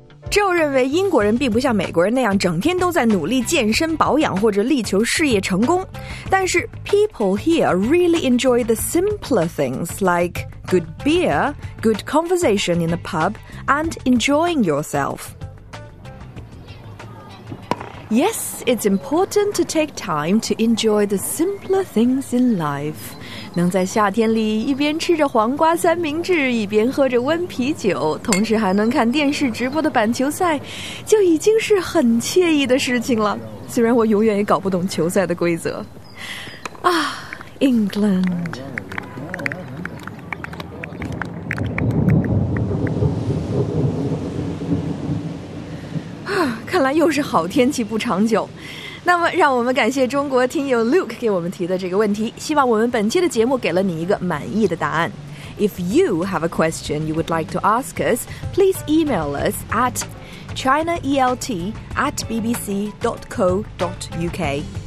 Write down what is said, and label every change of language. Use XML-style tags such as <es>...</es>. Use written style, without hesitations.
<zh>Joe 认为英国人并不像美国人那样整天都在努力健身保养或者力求事业成功，但是</zh> <en>people here really enjoy the simpler things like good beer, good conversation in the pub, and enjoying yourself. Yes, it's important to take time to enjoy the simpler things in life.</en> <zh>能在夏天里一边吃着黄瓜三明治，一边喝着温啤酒，同时还能看电视直播的板球赛，就已经是很惬意的事情了。虽然我永远也搞不懂球赛的规则。啊 ，England。啊，看来又是好天气不长久。那么让我们感谢中国听友 Luke 给我们提的这个问题，希望我们本期的节目给了你一个满意的答案。</zh> <en>If you have a question you would like to ask us, please email us at chinaelt@bbc.co.uk.</en>